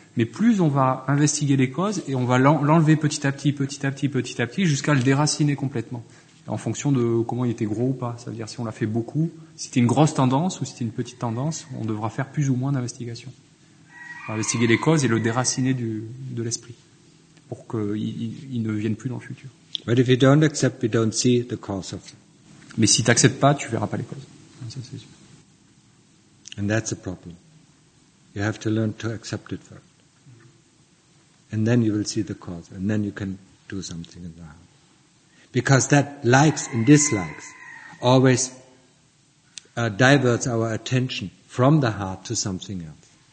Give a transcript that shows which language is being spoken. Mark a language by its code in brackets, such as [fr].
[fr] Mais plus on va investiguer les causes et on va l'enlever petit à petit, jusqu'à le déraciner complètement. En fonction de comment il était gros ou pas. Ça veut dire si on l'a fait beaucoup, si c'était une grosse tendance ou si c'était une petite tendance, on devra faire plus ou moins d'investigation. Enfin, investiguer les causes et le déraciner de l'esprit pour qu'il ne vienne plus dans le futur. [en] But if you don't accept, you don't see the cause of it. [fr] Mais si tu n'acceptes pas, tu ne verras pas les causes. Ça, c'est sûr. [en] And that's a problem. You have to learn to accept it first. And then you will see the cause, and then you can do something in the heart. Because that likes and dislikes always diverts our attention from the heart to something else.